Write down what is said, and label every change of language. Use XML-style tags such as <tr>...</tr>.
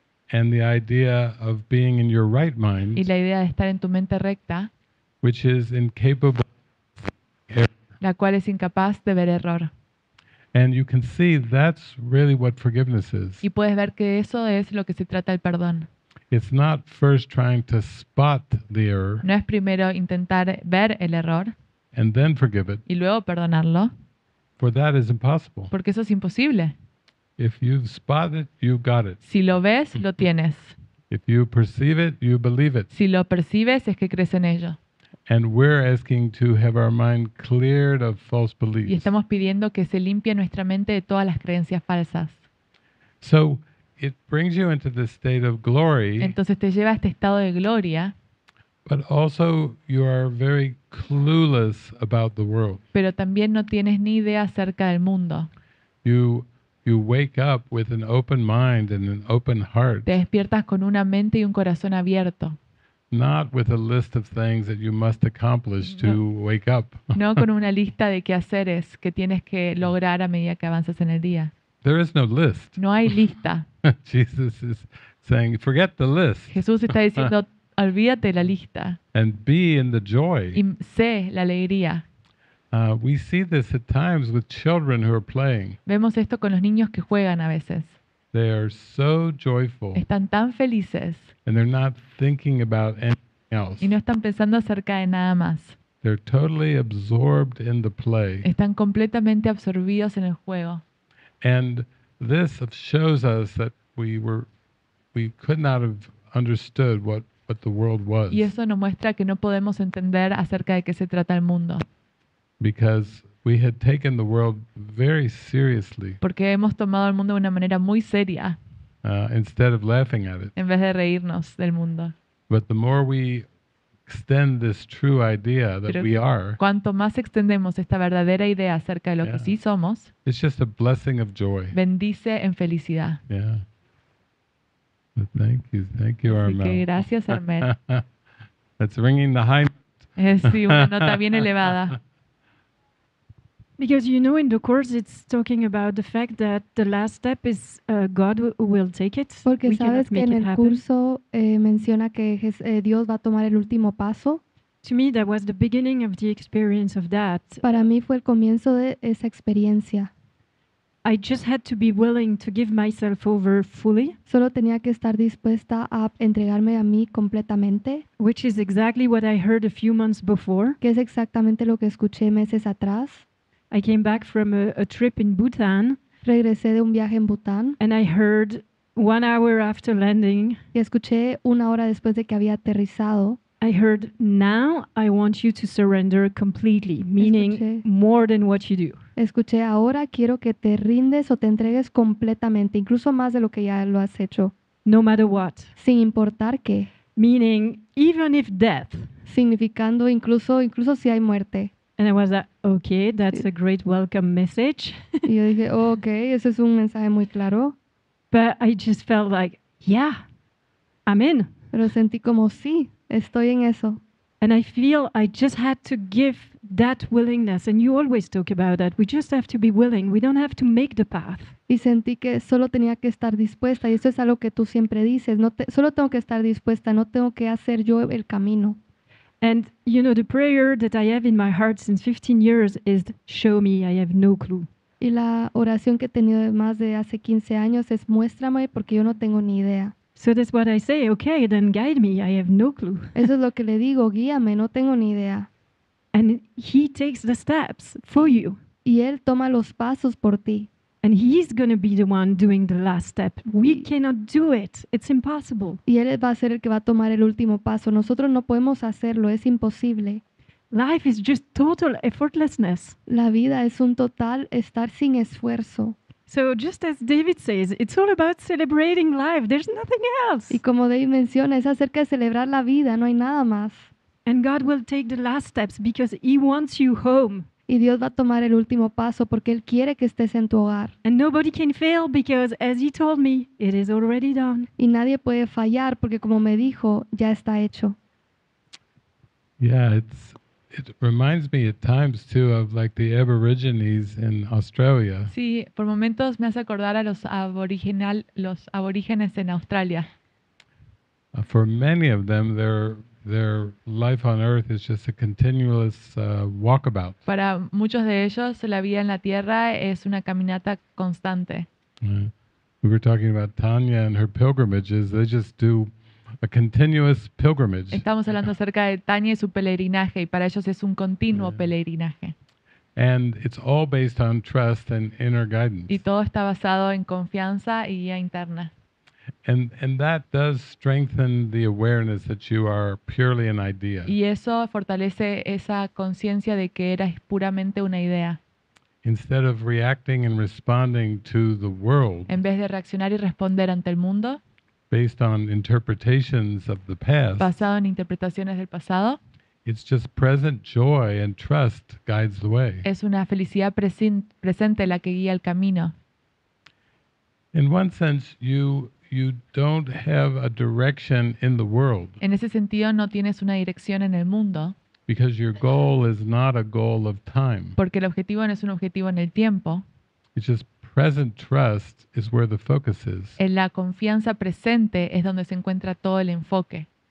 <en>And the idea of being in your right mind.</en> <es>Y la idea de estar en tu mente recta.</es> <en>Which is incapable of error.</en> <es>La cual es incapaz de ver error.</es> <en>And you can see that's really what forgiveness is.</en> <es>Y puedes ver que eso es lo que se trata el perdón.</es> <en>It's not first trying to spot the error.</en> <es>No es primero intentar ver el error.</es> <en>And then forgive it.</en> <es>Y luego perdonarlo.</es> <en>For that is impossible.</en> <es>Porque eso es imposible.</es> <en>If you've spotted it, you've got it.</en> <es>Si lo ves, lo tienes.</es> <en>If you perceive it, you believe it.</en> <es>Si lo percibes, es que crees en ello.</es> <en>And we're asking to have our mind cleared of false beliefs.</en> <es>Y estamos pidiendo que se limpie nuestra mente de todas las creencias falsas.</es> <en>So it brings you into this state of glory.</en> <es>Entonces te lleva a este estado de gloria.</es> <en>But also you are very clueless about the world.</en> <es>Pero también no tienes ni idea acerca del mundo.</es> <en>You wake up with an open mind and an open heart.</en> <es>Te despiertas con una mente y un corazón abierto.</es> <en>Not with a list of things that you must accomplish to wake up.</en> <es>No con una lista de quehaceres que tienes que lograr a medida que avanzas en el día.</es> <en>There is no list.</en> <es>No hay lista.</es> <en>Jesus is saying, forget the list.</en> <es>Jesús está diciendo, olvídate la lista.</es> <en>And be in the joy.</en> <es>Y sé la alegría.</es> <en>We see this at times with children who are playing.</en> <es>Vemos esto con los niños que juegan a veces.</es> <en>They are so joyful.</en> <es>Están tan felices.</es> <en>And they're not thinking about anything else.</en> <es>Y no están pensando acerca de nada más.</es> <en>They're totally absorbed in the play.</en> <es>Están completamente absorbidos en el juego.</es> <en>And this shows us that we could not have understood what the world was.</en> <es>Y eso nos muestra que no podemos entender acerca de qué se trata el mundo.</es> <en>Because we had taken the world very seriously.</en> <es>Porque hemos tomado el mundo de una manera muy seria.</es> <en>Instead of laughing at it.</en> <es>En vez de reírnos del mundo.</es> <en>But the more we extend this true idea that we are.</en> <es>Cuanto más extendemos esta verdadera idea acerca de lo que sí somos.</es> <en>It's just a blessing of joy.</en> <es>Bendice en felicidad.</es> <en>Yeah. But thank you, Armel.</en> <es>Así que gracias, Armel.</es> <en>That's ringing the high note.</en> <es>Sí, una nota bien elevada.</es> <en>Because you know, in the course, it's talking about the fact that the last step is God will take it.</en> <es>Porque we sabes que en el curso menciona que Dios va a tomar el último paso.</es> <en>To me, that was the beginning of the experience of that.</en> <es>Para mí fue el comienzo de esa experiencia.</es> <en>I just had to be willing to give myself over fully.</en> <es>Solo tenía que estar dispuesta a entregarme a mí completamente.</es> <en>Which is exactly what I heard a few months before.</en> <es>Que es exactamente lo que escuché meses atrás.</es> <en>I came back from a trip in Bhutan.</en> <es>Regresé de un viaje en Bután.</es> <en>And I heard 1 hour after landing.</en> <es>Y escuché una hora después de que había aterrizado.</es> <en>I heard, now I want you to surrender completely, meaning more than what you do.</en> <es>Escuché, ahora quiero que te rindes o te entregues completamente, incluso más de lo que ya lo has hecho.</es> <en>No matter what.</en> <es>Sin importar qué.</es> <en>Meaning, even if death.</en> <es>Significando incluso si hay muerte.</es> <en>And I was like, okay, that's a great welcome message.</en> <es>Y yo dije, oh, okay, ese es un mensaje muy claro.</es> <en>But I just felt like, yeah, I'm in.</en> <es>Pero sentí como, sí, estoy en eso.</es> <en>And I feel I just had to give that willingness. And you always talk about that. We just have to be willing. We don't have to make the path.</en> <es>Y sentí que solo tenía que estar dispuesta. Y eso es algo que tú siempre dices. Solo tengo que estar dispuesta. No tengo que hacer yo el camino.</es> <en>And, you know, the prayer that I have in my heart since 15 years is, show me, I have no clue.</en> <es>Y la oración que he tenido más de hace 15 años es, muéstrame porque yo no tengo ni idea.</es> <en>So that's what I say, okay, then guide me, I have no clue.</en> <es>Eso es lo que le digo, guíame, no tengo ni idea.</es> <en>And he takes the steps for you.</en> <es>Y él toma los pasos por ti.</es> <en>And he's going to be the one doing the last step. We cannot do it. It's impossible.</en> <es>Y él va a ser el que va a tomar el último paso. Nosotros no podemos hacerlo. Es imposible.</es> <en>Life is just total effortlessness.</en> <es>La vida es un total estar sin esfuerzo.</es> <en>So just as David says, it's all about celebrating life. There's nothing else.</en> <es>Y como David menciona, es acerca de celebrar la vida. No hay nada más.</es> <en>And God will take the last steps because he wants you home.</en> <es>Y Dios va a tomar el último paso porque Él quiere que estés en tu hogar.</es> <en>And nobody can fail because, as He told me, it is already done.</en> <es>Y nadie puede fallar porque, como me dijo, ya está hecho.</es> <en>Yeah, it reminds me at times too of like the Aborigines in Australia.</en> <es>Sí, por momentos me hace acordar a los aborígenes en Australia.</es> <en>For many of them, they're their life on earth is just a continuous walkabout.</en> <es>Para muchos de ellos, la vida en la tierra es una caminata constante.</es> <en>We were talking about Tanya and her pilgrimages. They just do a continuous pilgrimage.</en> <es>Estamos hablando acerca de Tanya y su peregrinaje, y para ellos es un continuo peregrinaje.</es> <en>And it's all based on trust and inner guidance.</en> <es>Y todo está basado en confianza y guía interna.</es> <en>And that does strengthen the awareness that you are purely an idea.</en> <es>Y eso fortalece esa conciencia de que eras puramente una idea.</es> <en>Instead of reacting and responding to the world,</en> <es>en vez de reaccionar y responder ante el mundo,</es> <en>based on interpretations of the past,</en> <es>basado en interpretaciones del pasado,</es> <en>it's just present joy and trust guides the way.</en> <es>Es una felicidad presente la que guía el camino.</es> <en>In one sense, you don't have a direction in the world.</en> <es>En ese sentido, no tienes una dirección en el mundo.</es> <en>Because your goal is not a goal of time.</en> <es>Porque el objetivo no es un objetivo en el tiempo.</es> <en>It's just present trust is where the focus is.</en> <es>En la confianza presente es donde se encuentra todo el enfoque.</es>